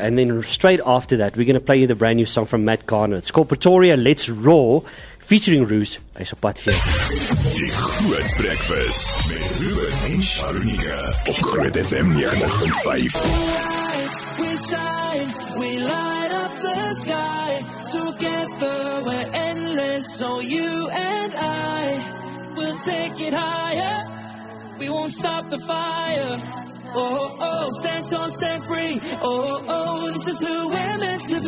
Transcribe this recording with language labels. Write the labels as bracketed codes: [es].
[en] And then straight after that, we're going to play you the brand new song from Matt Garner. It's called Pretoria, Let's Roar, featuring Roos. [af] Hy is op pad hier. Die Groot Breakfast met Ruben en Sharunika op Groot FM 95.5. [en] We shine, we light up the sky. Together we're endless, so you and I will take it higher. We won't stop the fire. Oh, oh, stand tall, stand free. Oh, oh, this is who we're meant to be.